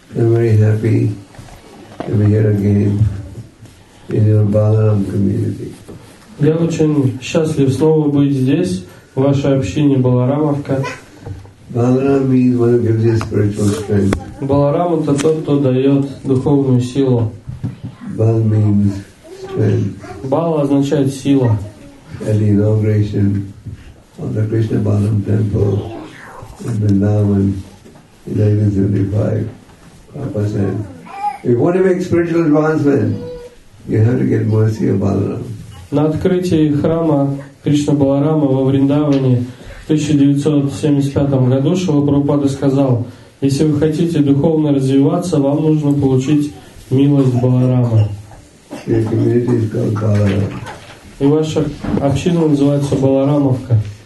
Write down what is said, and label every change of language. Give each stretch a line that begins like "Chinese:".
English: very happy to be here again in your Balaram community.
Russian: Я очень счастлив снова быть здесь, в вашей общине Баларамовка.
English: Balaram means one who gives you spiritual strength.
Russian: Баларам – это тот, кто дает духовную силу.
English: Bal means strength.
Russian: Бала означает сила.
English: At the inauguration of the Krishna Balaram temple in Vrindavan in 1975, Prabhupada said, if you want to make spiritual advancement, you have to get mercy of Balaram.
Russian: На открытии храма Кришна Баларама во Вриндаване в 1975 году Шрила Прабхупада сказал, если вы хотите духовно развиваться, вам нужно получить милость Баларама. И ваша община называется Баларамовка.